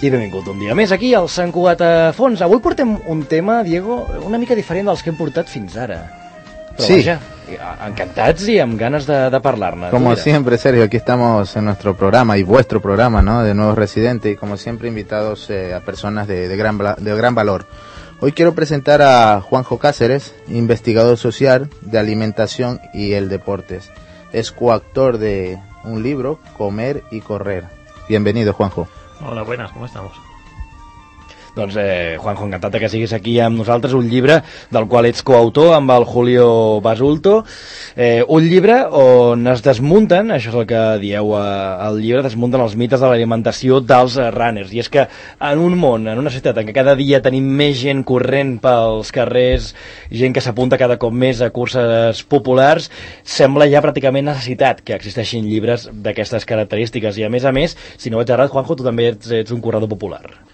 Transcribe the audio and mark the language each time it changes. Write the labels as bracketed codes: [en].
[ca] I benvingut un dia més aquí al Sant Cugat a fons. Avui portem un tema, Diego, una mica diferent dels que hem portat fins ara. Però sí. Vaja, encantats i amb ganes de parlar-ne. [es] Como siempre, Sergio, aquí estamos en nuestro programa y vuestro programa, ¿no?, de Nuevos Residentes, y como siempre invitados a personas de gran valor. Hoy quiero presentar a Juanjo Cáceres, investigador social de alimentación y el deportes. Es coautor de un libro, Comer y Correr. Bienvenido, Juanjo. Hola, buenas, ¿cómo estamos? [ca] Doncs, Juanjo, encantat que siguis aquí amb nosaltres. Un llibre del qual ets coautor amb el Julio Basulto. Un llibre on es desmunten, això és el que dieu al llibre, desmunten els mites de l'alimentació dels runners. I és que en un món, en una societat en què cada dia tenim més gent corrent pels carrers, gent que s'apunta cada cop més a curses populars, sembla ja pràcticament necessitat que existeixin llibres d'aquestes característiques. I a més, si no vaig errat, Juanjo, tu també ets un corredor popular.